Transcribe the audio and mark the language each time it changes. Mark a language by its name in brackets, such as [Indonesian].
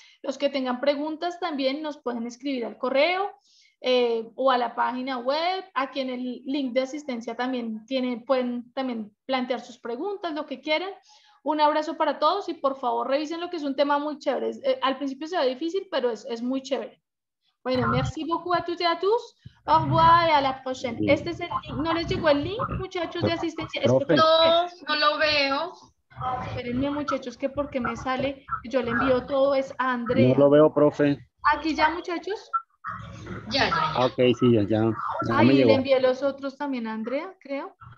[Spanish] Los que tengan preguntas también nos pueden escribir al correo o a la página web, aquí en el link de asistencia también pueden también plantear sus preguntas, lo que quieran. Un abrazo para todos y por favor revisen lo que es un tema muy chévere. Al principio se ve difícil, pero es muy chévere. [French] Bueno, merci beaucoup à toutes et à tous. Au revoir et à la prochaine. [Spanish] Este es el link. ¿No les llegó el link, muchachos de asistencia? Es que... No, no lo veo. Espérenme, muchachos, que porque me sale, yo le envío todo, es a Andrea. No lo veo, profe. ¿Aquí ya, muchachos? Ya. Ok, sí, ya. Ahí le envié los otros también a Andrea, creo.